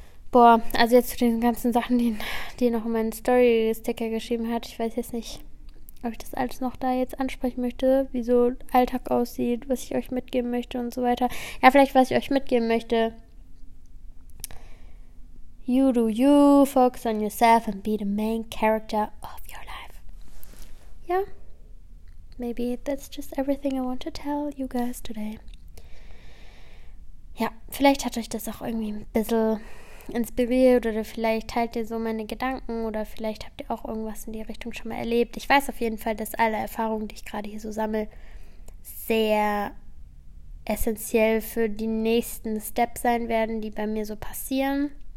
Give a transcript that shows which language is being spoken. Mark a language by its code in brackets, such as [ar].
[de] Boah, also jetzt zu den ganzen Sachen, die noch in meinen Story-Sticker geschrieben hat. Ich weiß jetzt nicht, ob ich das alles noch da jetzt ansprechen möchte, wie so Alltag aussieht, was ich euch mitgeben möchte und so weiter. Ja, vielleicht, was ich euch mitgeben möchte. [en] You do you, focus on yourself and be the main character of your life. Ja, yeah. Maybe that's just everything I want to tell you guys today. [de] Ja, vielleicht hat euch das auch irgendwie ein bisschen inspiriert oder vielleicht teilt ihr so meine Gedanken oder vielleicht habt ihr auch irgendwas in die Richtung schon mal erlebt. Ich weiß auf jeden Fall, dass alle Erfahrungen, die ich gerade hier so sammle, sehr essentiell für die nächsten Steps sein werden, die bei mir so passieren.